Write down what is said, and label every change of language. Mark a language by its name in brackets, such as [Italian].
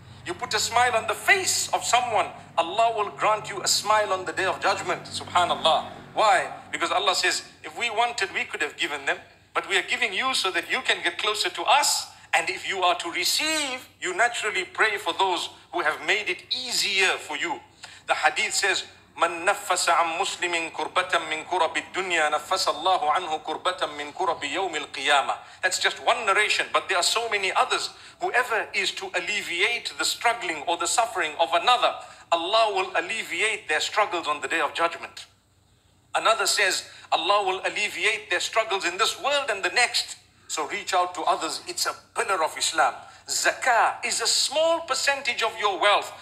[English] You put a smile on the face of someone, Allah will grant you a smile on the day of judgment. Subhanallah. Why? Because Allah says, if we wanted, we could have given them. But we are giving you so that you can get closer to us. And if you are to receive, you naturally pray for those who have made it easier for you. The hadith says, [Arabic] مَن نَفَّسَ عَمْ مُسْلِمٍ كُرْبَةً مِّن كُرَبِ الدُّنْيَا نَفَّسَ اللَّهُ عَنْهُ كُرْبَةً مِّن كُرَبِ يَوْمِ الْقِيَامَةِ. [English] That's just one narration, but there are so many others. Whoever is to alleviate the struggling or the suffering of another, Allah will alleviate their struggles on the day of judgment. Another says, Allah will alleviate their struggles in this world and the next. So reach out to others. It's a pillar of Islam. Zakah is a small percentage of your wealth.